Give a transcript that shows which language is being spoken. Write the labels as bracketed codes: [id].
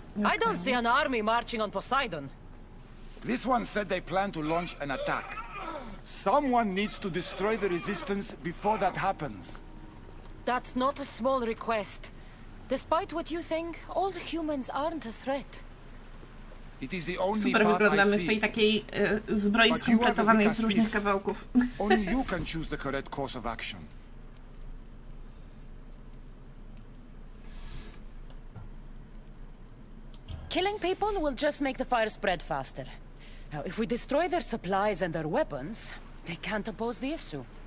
[en] Okay. I don't see an army marching on Poseidon. This one said they plan to launch an attack. Someone needs to destroy the resistance before that happens. That's not a small request. Despite what you think, all the humans aren't a threat. It is the only [pl] super wyglądamy w tej takiej zbroi skompletowanej z różnych kawałków. [en] Only you can choose the correct course of action. Killing people will just make the fire spread faster. Now, if we destroy their supplies and their weapons, they can't oppose the issue.